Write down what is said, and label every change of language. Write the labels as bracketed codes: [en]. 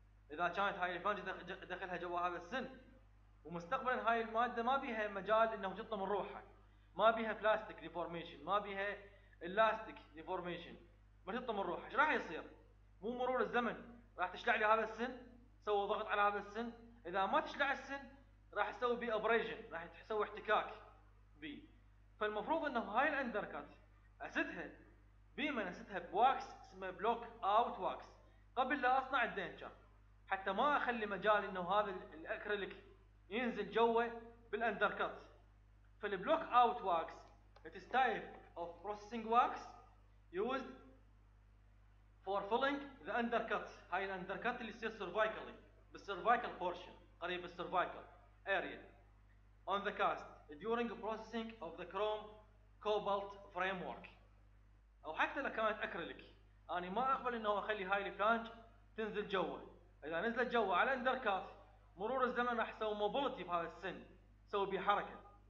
[ar] إذا كانت هاي الفلانج أدخلها جوا هذا السن ومستقبلا هاي المادة ما بيها مجال إنه تطلع من روحها، ما بيها بلاستيك ديفورميشن، ما بيها إلاستيك ديفورميشن، ما تطلع من روحها، إيش راح يصير؟ مو مرور الزمن راح تشلع لي هذا السن، سوى ضغط على هذا السن، إذا ما تشلع السن راح يسوي بي أبريجن، راح تسوي احتكاك بي. فالمفروض إنه هاي الأندركات أسدها بما أسدها بواكس اسمه بلوك أوت واكس قبل لا أصنع الدينجر، حتى ما أخلي مجال إنه هذا الأكريليك ينزل جوه بالأندركات. [en] فالبلوك out wax it's type of processing wax used for filling the undercut. [ar] هاي الأندركات اللي يصير سيرفايكالي بالسيرفايكال بورشن قريب السيرفايكال [en] area on the cast during processing of the chrome cobalt framework [ar] او حتى لو كانت اكريليك. انا ما اقبل انه اخلي هاي الفلانج تنزل جوه. اذا نزلت جوه على الاندركات مرور الزمن راح اسوي موبيلتي في هذا السن، اسوي بيه حركه.